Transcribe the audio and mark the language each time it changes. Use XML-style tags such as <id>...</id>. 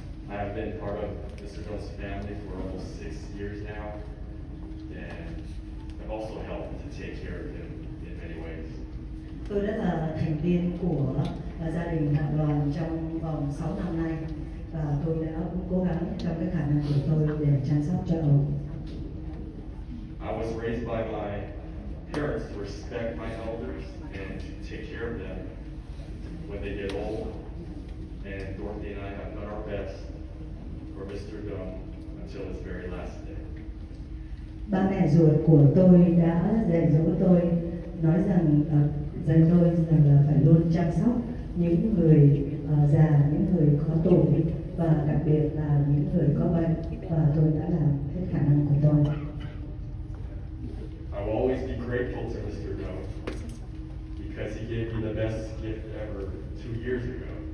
<en>I have been part of Mr. Jones' family for almost 6 years now, and I've also helped to take care of him in many ways.</en> <vi>Tôi đã là thành viên của gia đình Hạ Đoàn trong vòng 6 năm nay. Và tôi đã cũng cố gắng trong cái khả năng của tôi để chăm sóc cho ông.</vi> <en>I was raised by my parents to respect my elders and to take care of them when they get old. And Dorothy and I have done our best for Mr. Dung until his very last day.</en> <vi>Ba mẹ ruột của tôi đã dạy dỗ tôi, nói rằng dạy tôi rằng là phải luôn chăm sóc những người già, những người khó tuổi. Và đặc biệt là những người có bệnh và tôi đã làm hết khả năng của tôi.</vi> <en>I will always be grateful to Mr. Doe because he gave me the best gift ever 2 years ago.</en>